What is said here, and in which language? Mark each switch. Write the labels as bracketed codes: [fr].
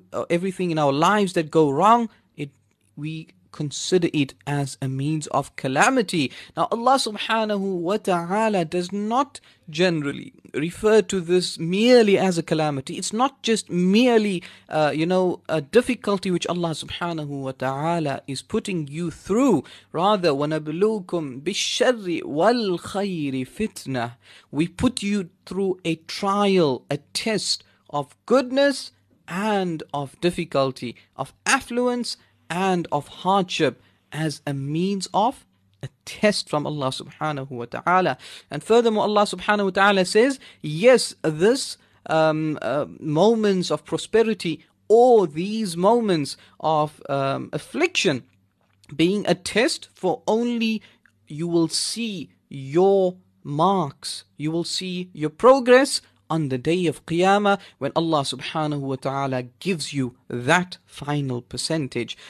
[en] Everything in our lives that go wrong, we consider it as a means of calamity. Now Allah subhanahu wa ta'ala does not generally refer to this merely as a calamity. It's not just merely a difficulty which Allah subhanahu wa ta'ala is putting you through. Rather, [ar] وَنَبْلُوكُمْ بِالشَّرِّ وَالْخَيْرِ فِتْنَةِ. [en] We put you through a trial, a test of goodness and of difficulty, of affluence and of hardship, as a means of a test from Allah subhanahu wa ta'ala. And furthermore, Allah subhanahu wa ta'ala says, yes, this moments of prosperity or these moments of affliction being a test, for only you will see your marks, you will see your progress on the day of Qiyamah, when Allah subhanahu wa ta'ala gives you that final percentage.